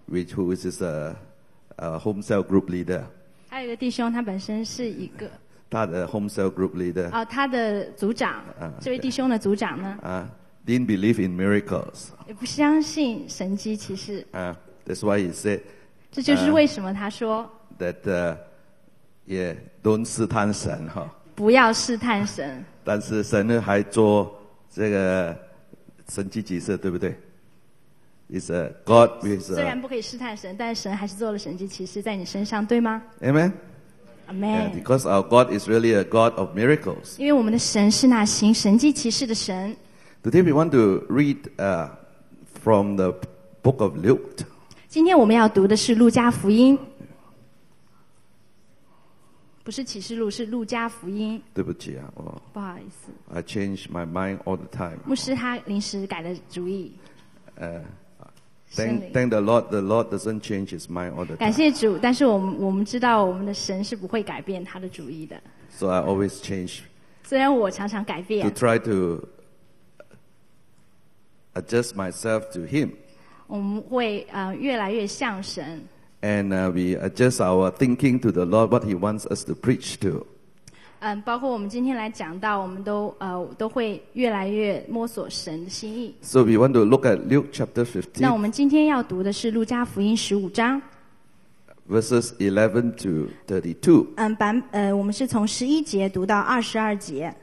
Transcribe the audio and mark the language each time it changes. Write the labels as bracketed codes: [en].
[en] ，which who is just a home cell group leader。 [zh] 还有一个弟兄，他本身是一个。他的 [en] home cell group leader。 [zh] 啊，他的组长，这位弟兄的组长呢？啊、 [en] didn't believe in miracles。 [zh] 也不相信神迹奇事。 [en] That's why he said。 [zh] 这就是为什么他说。 [en] That yeah, don't [zh] 试探神哈。不要试探神。但是神呢还做这个神迹奇事，对不对 ？ [en] It's a God with a。 [zh] 虽然不可以试探神，但神还是做了神迹奇事在你身上，对吗 [en] ？Amen。 Amen. Yeah, because our God is really a God of miracles. [zh] 因为我们的神是那行神迹奇事的神。 [en] Today we want to read from the book of Luke. [zh] 今天我们要读的是路加福音，不是启示录，是路加福音。对不起啊，我不好意思。 [en] I change my mind all the time. [zh] 牧师他临时改了主意。 [en] Thank the Lord doesn't change his mind all the time. [zh] 感谢主，但是我们知道我们的神是不会改变他的主意的。 [en] So I always change. [zh] 虽然我常常改变。 [en] To try to adjust myself to him. [zh] 我们会越来越像神。 [en] And we adjust our thinking to the Lord, what he wants us to preach to. [zh] 包括我们今天来讲到，我们都会越来越摸索神的心意。 [en] So we want to look at Luke chapter 15. [zh] 那我们今天要读的是路加福音十五章 [en] ，verses 11 to 32. [zh] 我们是从十一节读到二十二节。